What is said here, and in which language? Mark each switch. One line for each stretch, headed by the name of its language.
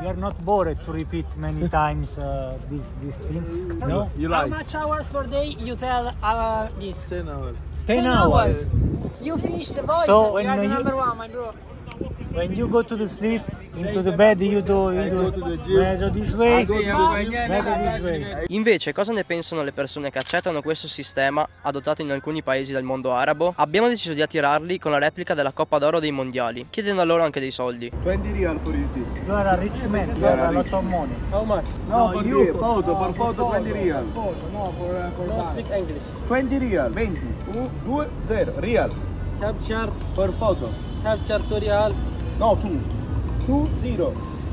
English: You are not bored to repeat many times these things? No? You like? How much hours per day you tell this? 10 hours. 10 hours? You finish the voice, so when you are the number one, my bro. When you go to the sleep, into the bed, you do go to the gym. This way.
Italian: Invece, cosa ne pensano le persone che accettano questo sistema adottato in alcuni paesi del mondo arabo? Abbiamo deciso di attirarli con la replica della Coppa d'Oro dei Mondiali, chiedendo a loro anche dei soldi.
English: 20 real for this. You are a rich man, you are a lot of money. How much? No, for you. Photo, 20 real. Photo, no, for don't speak English. 20 real, 20. 2-0, real. Capture. For photo. Capture 2 real. No, 2. 2-0.